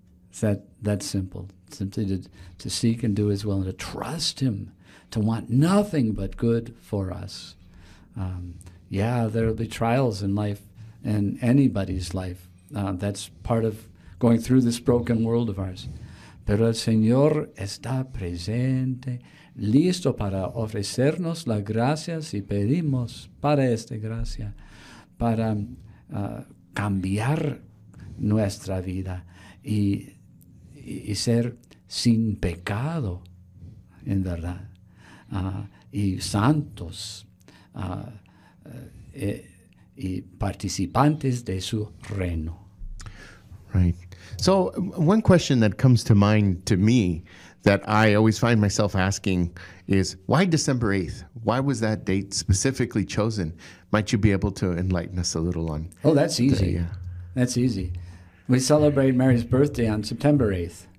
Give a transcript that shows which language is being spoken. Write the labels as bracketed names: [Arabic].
[English] It's that simple, simply to seek and do his will and to trust him, to want nothing but good for us. Yeah, there will be trials in life, in anybody's life. That's part of going through this broken world of ours. [Spanish] Pero el Señor está presente, listo para ofrecernos la gracia si pedimos para esta gracia, para cambiar nuestra vida y ser sin pecado, en verdad, y santos, y participantes de su reino. [English] Right. So one question that comes to mind to me that I always find myself asking is, why December 8th? Why was that date specifically chosen? Might you be able to enlighten us a little on? Oh, that's easy. That's easy. We celebrate Mary's birthday on September 8th.